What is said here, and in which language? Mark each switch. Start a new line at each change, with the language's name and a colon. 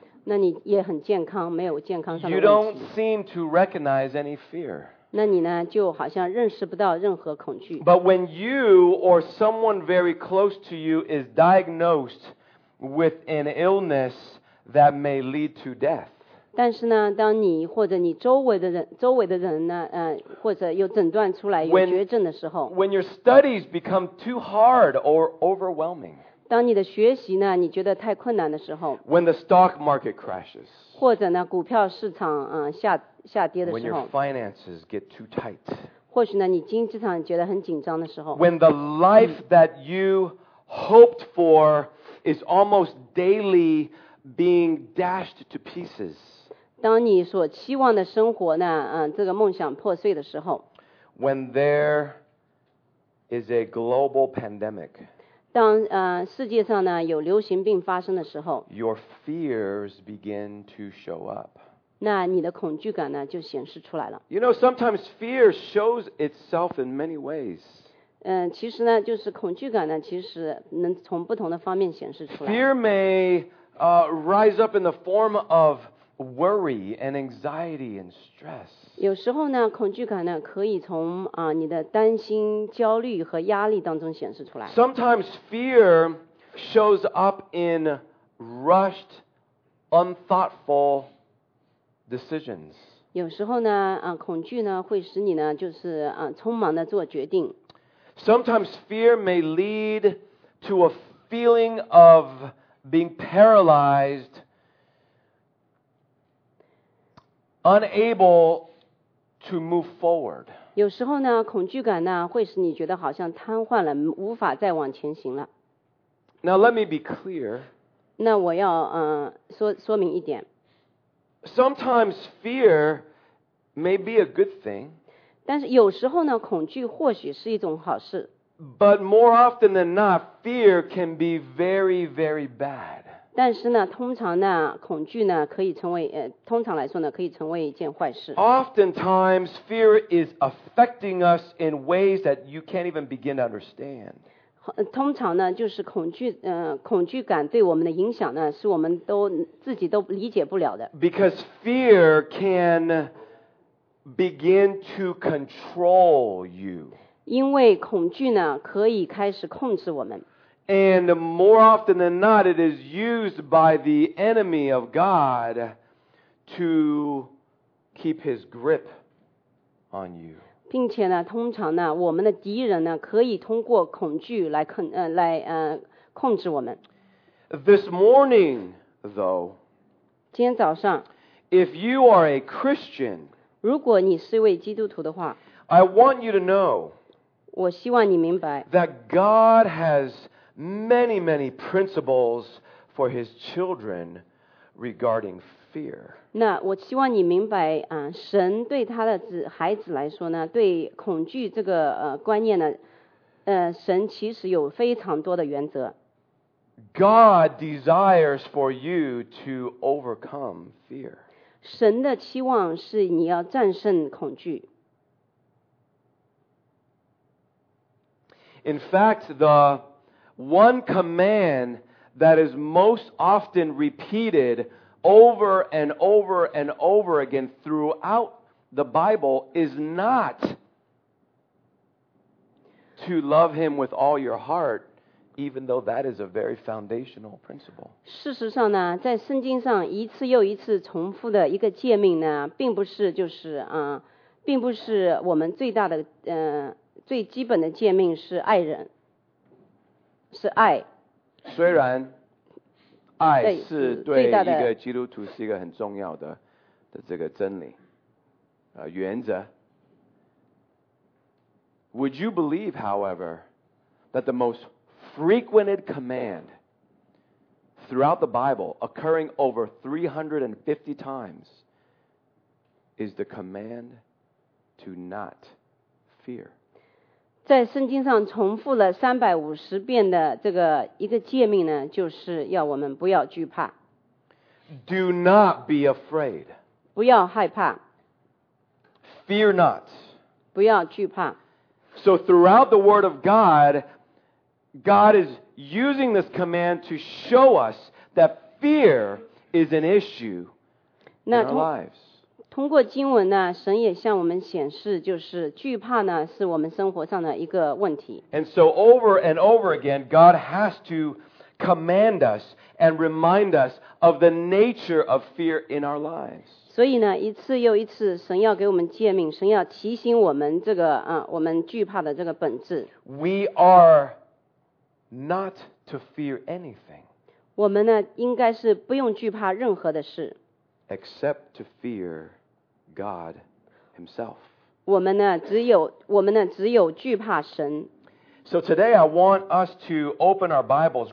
Chinese: 那你也很健康，没有健康上的问题。
English: You don't seem to recognize any fear.
Chinese: 那你呢，就好像认识不到任何恐惧。
English: But when you or someone very close to you is diagnosed with an illness,That may lead to death.
Chinese: 但是呢，当你或者你周围的人呢，或者有诊断出来有绝症的时候
English: ，when your studies become too hard or overwhelming.
Chinese: 当你的学习呢，你觉得太困难的时候
English: ，when the stock market crashes.
Chinese: 或者呢，股票市场下跌的时候
English: ，when your finances get too tight.
Chinese: 或许呢，你经济上觉得很紧张的时候
English: ，when the life that you hoped for is almost daily. Being dashed to pieces.
Chinese: 当你所期望的生活呢，这个梦想破碎的时候。
English: When there is a global pandemic.
Chinese: 当世界上呢有流行病发生的时候。
English: Your fears begin to show up.
Chinese: 那你的恐惧感呢就显示出来了。
English: You know, sometimes fear shows itself in many ways.
Chinese: 其实呢，就是恐惧感呢，其实能从不同的方面显示出来。
English: Fear may rise up in the form of worry and anxiety and stress.
Chinese: 有时候呢，恐惧感呢，可以从你的担心、焦虑和压力当中显示出来。
English: Sometimes fear shows up in rushed, unthoughtful decisions.
Chinese: 有时候呢，恐惧呢，会使你呢，就是匆忙的做决定。
English: Sometimes fear may lead to a feeling of being paralyzed, unable to move forward.
Chinese: 有时候呢，恐惧感呢，会使你觉得好像瘫痪了，无法再往前行了。
English: Now let me be clear.
Chinese: 那我要说明一点。
English: Sometimes fear may be a good thing.
Chinese: 但是有时候呢，恐惧或许是一种好事。
English: But more often than not, fear can be very, very bad.
Chinese: 但是呢，通常呢，恐惧呢，可以成为通常来说呢，可以成为一件坏事。
English: Oftentimes, fear is affecting us in ways that you can't even begin to understand.
Chinese: 通常呢，就是恐惧感对我们的影响呢，是我们自己都理解不了的。
English: Because fear can. Begin to control you.
Chinese: 因为恐惧呢，可以开始控制我们。
English: And more often than not, it is used by the enemy of God to keep his grip on you.
Chinese: 并且呢，通常呢，我们的敌人呢，可以通过恐惧来控制我们。
English: This morning, though,
Chinese: 今天早上
English: if you are a Christian.
Chinese: 如果你是一位基督徒的话
English: I want you to know
Chinese: 我希望你明白
English: that God has many, many principles for his children regarding fear.
Chinese: 那我希望你明白神对他的孩子来说呢对恐惧这个观念呢神其实有非常多的原则。
English: God desires for you to overcome fear.
Chinese: 神的期望是你要战胜恐惧。
English: In fact, the one command that is most often repeated over and over and over again throughout the Bible is not to love him with all your heart. Even though that is a very foundational principle.
Chinese: 事实上呢，在圣经上一次又一次重复的一个诫命呢，并不是就是并不是我们最大的最基本的诫命是爱人，是爱。虽然爱是对一个基督徒是一个很重要 的这个真理、原则。
English: Would you believe, however, that the most frequented command throughout the Bible, occurring over 350 times, is the command to not fear?
Chinese: 在圣经上重复了350遍的这个一个诫命呢，就是要我们不要惧怕。
English: Do not be afraid.
Chinese: 不要害怕。
English: Fear not.
Chinese: 不要惧怕。
English: So throughout the Word of God, God is using this command to show us that fear is an issue in our lives.
Chinese: 通过经文呢，神也向我们显示，就是惧怕呢，是我们生活上的一个问题。
English: And so over and over again, God has to command us and remind us of the nature of fear in our lives.
Chinese: 所以呢，一次又一次，神要给我们诫命，神要提醒我们这个啊，我们惧怕的这个本质。
English: We are not to fear anything.
Chinese: 我们呢，应该是不用惧怕任何的事。
English: Except to fear God Himself.
Chinese: 我们呢，只有惧怕神。
English: So today I want us to open our Bibles.